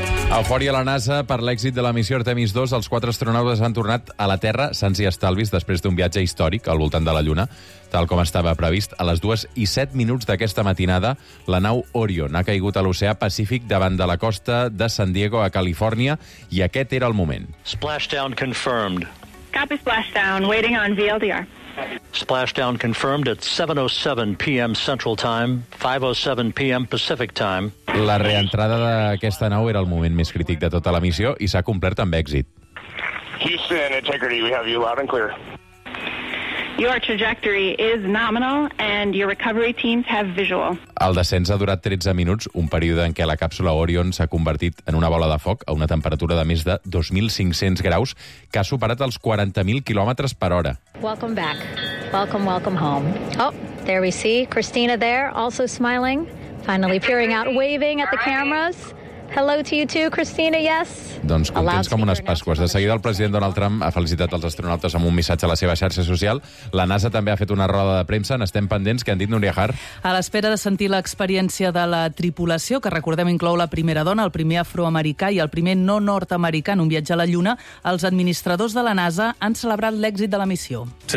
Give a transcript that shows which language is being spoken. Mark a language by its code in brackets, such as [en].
[ca] Eufòria a la NASA per l'èxit de la missió Artemis 2. Els quatre astronautes han tornat a la Terra sans i estalvis després d'un viatge històric al voltant de la Lluna, tal com estava previst. A les 2:07 d'aquesta matinada, la nau Orion ha caigut a l'oceà Pacífic davant de la costa de San Diego, a Califòrnia, i aquest era el moment. [en] Splashdown confirmed. Copy splashdown, waiting on VLDR. Splashdown confirmed at 7:07 Central Time, 5:07 Pacific Time. [ca] La reentrada d'aquesta nau era el moment més crític de tota la missió i s'ha complert amb èxit. [en] Houston, Integrity, we have you loud and clear. Your trajectory is nominal and your recovery teams have visual. [ca] El descens ha durat 13 minuts, un període en què la càpsula Orion s'ha convertit en una bola de foc a una temperatura de més de 2.500 graus, que ha superat els 40.000 km per hora. [en] Welcome back. Welcome, welcome home. Oh, there we see Christina there, also smiling, finally peering out, waving at the cameras. Hello to you too, Christina, yes. [ca] Doncs contents com unes pasques. De seguida, el president Donald Trump ha felicitat els astronautes amb un missatge a la seva xarxa social. La NASA també ha fet una roda de premsa. N'estem pendents. Què han dit, Núria Har? A l'espera de sentir l'experiència de la tripulació, que recordem inclou la primera dona, el primer afroamericà i el primer no nord-americà en un viatge a la Lluna, els administradors de la NASA han celebrat l'èxit de la missió.